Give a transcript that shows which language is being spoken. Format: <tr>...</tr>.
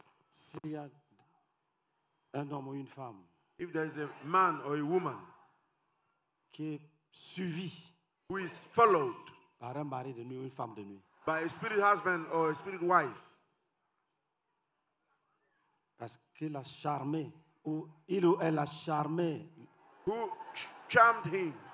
<fr>S'il y a un homme ou une femme,</fr> <en>if there is a man or a woman,</en> <fr>qui est suivi,</fr> <en>who is followed,</en> <fr>par un mari de nuit ou une femme de nuit,</fr> <en>by a spirit husband or a spirit wife,</en> <fr>parce qu'il a charmé ou il ou elle a charmé,</fr> <en>who charmed him,</en>